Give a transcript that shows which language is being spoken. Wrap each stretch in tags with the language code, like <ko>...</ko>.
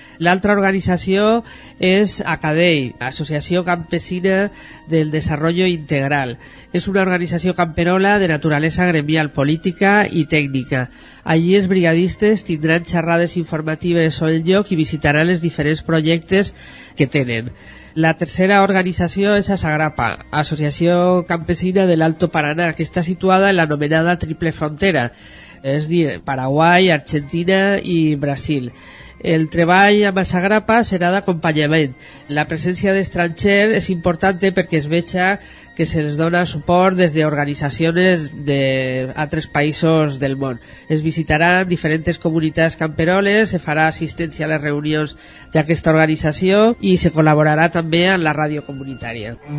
<ca>L'altra organització és ACADEI, Associació Campesina del Desarrollo Integral. És una organització camperola de naturalesa gremial, política i tècnica. Allí els brigadistes tindran xerrades informatives sobre el lloc i visitaran els diferents projectes que tenen.</ca> <es>La tercera organización es ASAGRAPA, Asociación Campesina del Alto Paraná, que está situada en la nominada Triple Frontera, es decir, Paraguay, Argentina y Brasil.</es> <ca>El treball amb ASAGRAPA serà d'acompanyament. La presència d'estrangers és important perquè es veja que se'ls dona suport des d'organitzacions d'altres països del món. Es visitaran diferents comunitats camperoles, se farà assistència a les reunions d'aquesta organització i se col·laborarà també amb la ràdio comunitària.</ca>